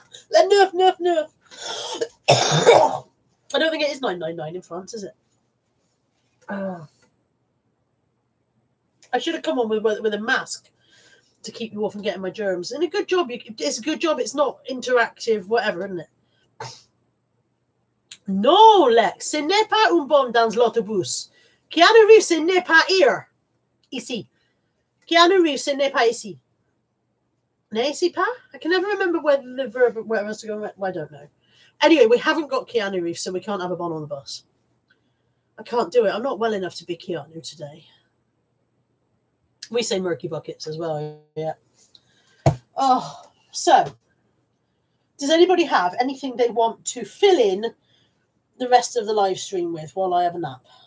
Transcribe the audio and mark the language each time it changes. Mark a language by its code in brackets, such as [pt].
[fr] La neuf, neuf, neuf. [en] I don't think it is 999 in France, is it? I should have come on with a mask to keep you all from getting my germs. And a good job. It's a good job. It's not interactive, whatever, isn't it? [fr] No, Lex, ce n'est pas un bon dans l'autobus. Keanu Reeves, ce n'est pas ici. Keanu Reeves, ce n'est pas ici. N'est-ce pas? [en] I can never remember where the verb, where else to go. I don't know. Anyway, we haven't got Keanu Reeves, so we can't have a bon on the bus. I can't do it. I'm not well enough to be Keanu today. We say murky buckets as well. Yeah. Oh, so does anybody have anything they want to fill in the rest of the live stream with while I have a nap?